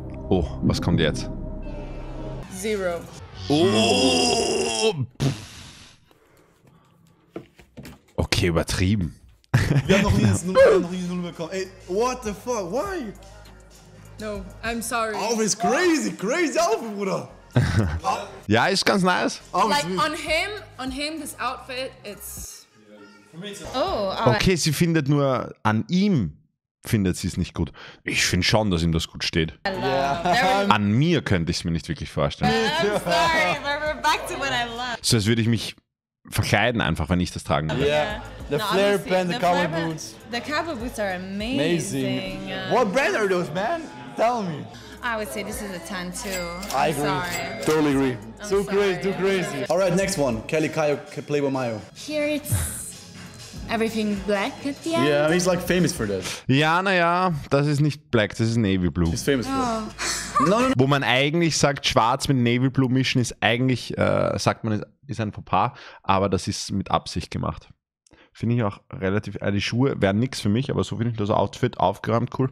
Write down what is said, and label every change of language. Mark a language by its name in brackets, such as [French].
[German] Oh, was kommt jetzt? 0. Oh! Okay, übertrieben. Wir haben noch nie 0 bekommen. [English] Ey, what the fuck? Why? No, I'm sorry. Oh, it's crazy outfit, Bruder. [German] Ja, ist ganz nice. [English] Like on him, this outfit, it's. Oh, [German] okay, sie findet nur an ihm. Findet sie es nicht gut? Ich finde schon, dass ihm das gut steht. [English] Yeah. [German] An mir könnte ich es mir nicht wirklich vorstellen. [English] I'm sorry, but we're back to what I love. [German] So, als würde ich mich verkleiden einfach, wenn ich das tragen würde. [English] Yeah. The flare pants, the cowboy boots. The cowboy boots are amazing. What brand are those, man? Tell me. I would say this is a 10 too. I agree. Sorry. Totally agree. Too crazy. All right, next one. Kelly Kayo, Playboy Mayo. Here it's... Everything black at the end? Yeah, he's like famous for that. [German] Ja, naja, das ist nicht black, das ist navy blue. [English] He's famous for that. No. [German] Wo man eigentlich sagt, schwarz mit navy blue mischen ist eigentlich, sagt man, ist ein Fauxpas, aber das ist mit Absicht gemacht. Finde ich auch relativ, die Schuhe wären nichts für mich, aber so finde ich das Outfit aufgeräumt cool.